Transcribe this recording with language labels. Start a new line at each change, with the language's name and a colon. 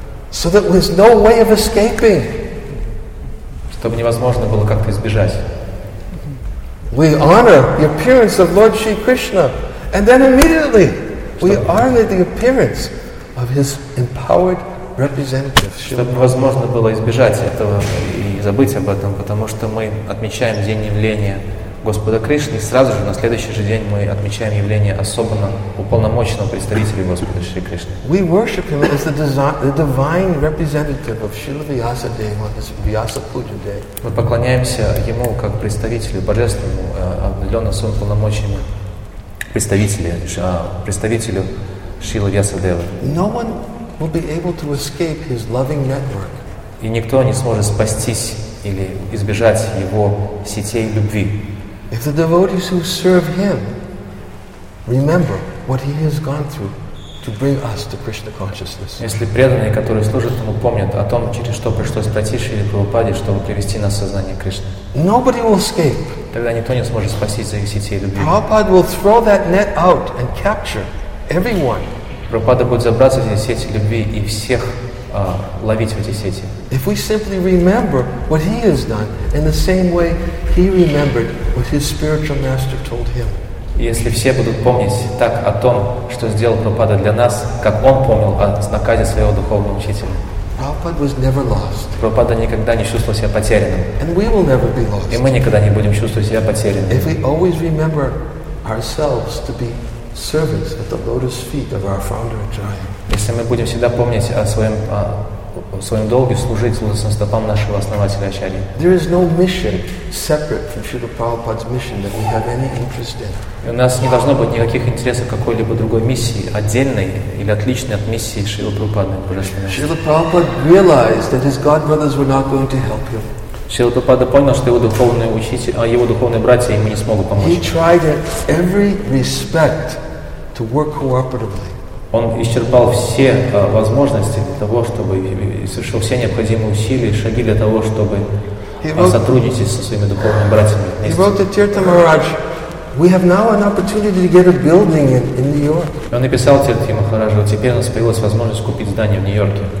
English: So that there's no way of escaping.
Russian: Чтобы невозможно было как-то избежать.
English: We honor the appearance of Lord Shri Krishna, and then immediately. We honor the appearance of his empowered representative.
Russian: Чтобы возможно было избежать этого и забыть об этом, потому что мы отмечаем день явления Господа Кришны, и сразу же на следующий же день мы отмечаем явление особенно уполномоченного представителя Господа Шри Кришны.
English: We worship him as the divine representative of Śrīla Vyāsadeva on this Vyasa Puja day.
Russian: Мы поклоняемся ему как представителю божественному, обделенному своим полномочиями. Представителю Шрилы Вьясадевы.
English: No one will be able to escape his loving network.
Russian: И никто не сможет спастись или избежать его сетей любви.
English: If the devotees who serve him remember what he has gone through to bring us to Krishna consciousness.
Russian: Если преданные, которые служат ему, помнят о том, через что пришлось пройти Шри Прабхупаде, чтобы привести нас в сознание Кришны.
English: Nobody will escape.
Russian: Тогда никто не сможет спастись за их сети и любви.
English: Prabhupada will throw that net out and capture everyone.
Russian: Прабхупада будет забрасывать эти сети любви и всех ловить в эти сети.
English: If we simply remember what he has done in the same way he remembered what his spiritual master told him.
Russian: Если все будут помнить так о том, что сделал Прабхупада для нас, как он помнил о наказе своего духовного учителя.
English: Prabhupada was never lost.
Russian: Прабхупада никогда не чувствовал себя потерянным.
English: And we will never be lost.
Russian: И мы никогда не будем чувствовать себя потерянным.
English: If we always remember ourselves to be servants at the lotus feet of our founder Ajaya.
Russian: Если мы будем всегда помнить о своем долге служить лотосным стопам нашего основателя Ачарьи.
English: There is no mission separate from Śrīla Prabhupāda's mission that we have any interest in.
Russian: И у нас не должно быть никаких интересов какой-либо другой миссии, отдельной или отличной от миссии Шрилы Прабхупады.
English: Śrīla Prabhupāda realized that his god brothers were not going to help him.
Russian: Śrīla Prabhupāda понял, что его духовные братья ему не смогут помочь.
English: He tried in every respect to work cooperatively.
Russian: Он исчерпал все возможности для того, чтобы совершил все необходимые усилия и шаги для того, чтобы сотрудничать со своими духовными братьями.
English: He wrote to Tirtha Maharaj, we have now an opportunity to get a building in New York.
Russian: Он написал Тирте Махараджу, теперь у нас появилась возможность купить здание в Нью-Йорке.